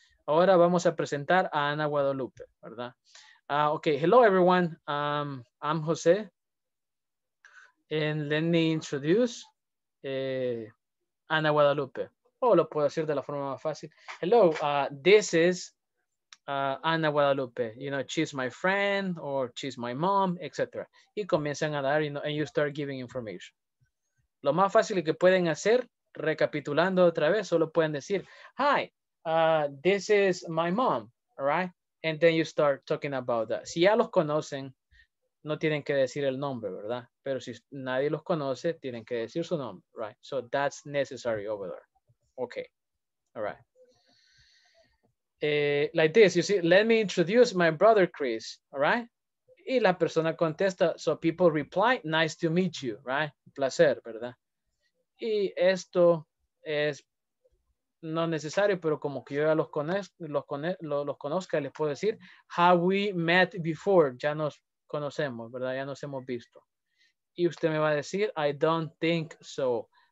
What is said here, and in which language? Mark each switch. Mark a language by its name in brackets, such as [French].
[Spanish] Ahora vamos a presentar a Ana Guadalupe, ¿verdad? Okay, [English] hello everyone. I'm Jose. And let me introduce Ana Guadalupe. [Spanish] O lo puedo decir de la forma más fácil. [English] Hello, this is Ana Guadalupe. You know, she's my friend or she's my mom, etc. [Spanish] Y comienzan a dar, [English] you know, and you start giving information. [Spanish] Lo más fácil que pueden hacer, recapitulando otra vez, solo pueden decir, hi. [English] This is my mom, right? And then you start talking about that. [Spanish] Si ya los conocen, no tienen que decir el nombre, ¿verdad? Pero si nadie los conoce, tienen que decir su nombre, right? [English] So that's necessary over there. Okay, all right. Like this, you see, let me introduce my brother, Chris, all right? [Spanish] Y la persona contesta, [English] so people reply, nice to meet you, right? [Spanish] Placer, ¿verdad? Y esto es... No necesario, pero como que yo ya los conozca, les puedo decir, [English] have we met before? [Spanish] Ya nos conocemos, ¿verdad? Ya nos hemos visto. Y usted me va a decir, [English] I don't think so.